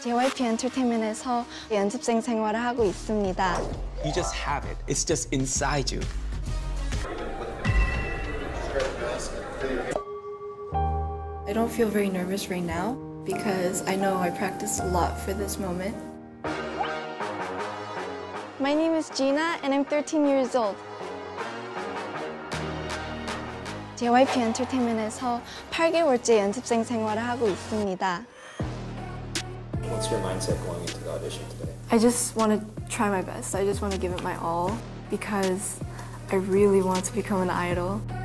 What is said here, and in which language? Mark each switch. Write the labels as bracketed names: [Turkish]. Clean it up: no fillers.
[Korean] JYP 엔터테인먼트에서 연습생 생활을 하고 있습니다. [English] You just have it. It's just inside you. [Korean] 저는 지금 너무 떨리지 않아요. 왜냐하면 제가 많이 연습했어요. [English] My name is Gina, and I'm 13 years old. [Korean] JYP 엔터테인먼트에서 8개월째 연습생 생활을 하고 있습니다. [English] What's your mindset going into the audition today? I just want to try my best. I just want to give it my all because I really want to become an idol.